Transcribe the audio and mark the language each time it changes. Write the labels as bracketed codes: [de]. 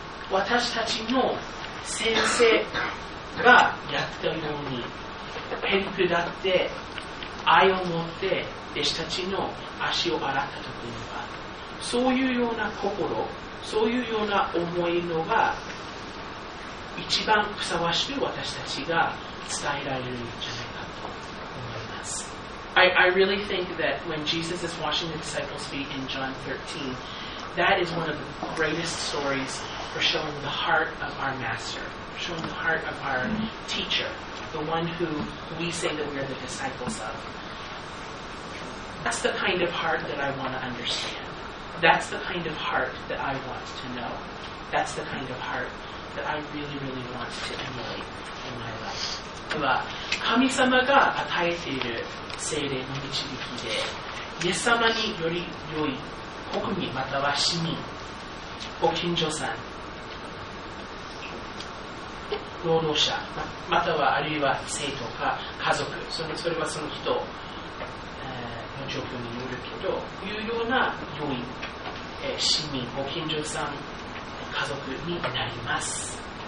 [ja] 私たちの先生がやったように、へりくだって愛を持って弟子たちの足を洗ったときには、そういうような心、そういうような思いのが一番ふさわしく私たちが伝えられるんじゃないかと思います。 [en] I really think that when Jesus is washing the disciples' feet in John 13, that is one of the greatest stories for showing the heart of our master, showing the heart of our teacher, the one who we say that we are the disciples of. That's the kind of heart that I want to understand. That's the kind of heart that I want to know. That's the kind of heart that I really, really want to emulate in my life. [ja] では、神様が与えている聖霊の導きで、イエス様により良い国民または市民、ご近所さん、労働者、またはあるいは生徒か家族、それはその人、の状況によるけど、いうような良い市民、ご近所さん、家族になります。